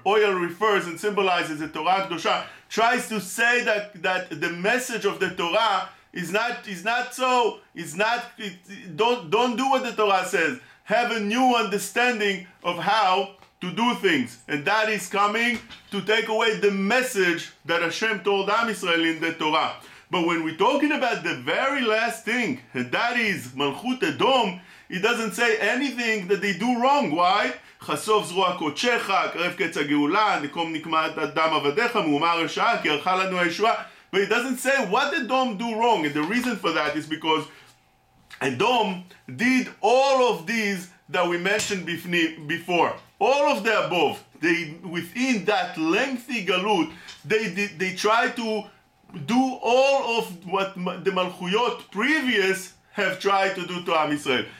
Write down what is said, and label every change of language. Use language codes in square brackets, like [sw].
[en] Oil refers and symbolizes the Torah Kedoshah, tries to say that the message of the Torah don't do what the Torah says, have a new understanding of how to do things, and that is coming to take away the message that Hashem told Am Yisrael in the Torah. But when we're talking about the very last thing, and that is Malchut Edom, it doesn't say anything that they do wrong. Why? [he] חשוף זרוע קודשך, קרב קץ הגאולה, נקום נקמת אדם עבדיך, מאומה רשעה, כי ערכה לנו הישועה. [en] But it doesn't say what did Edom do wrong. And the reason for that is because Edom did all of these that we mentioned before. All of the above. They, within that lengthy galut, they try to do all of what the Malchuyot previous have tried to do to Am Yisrael.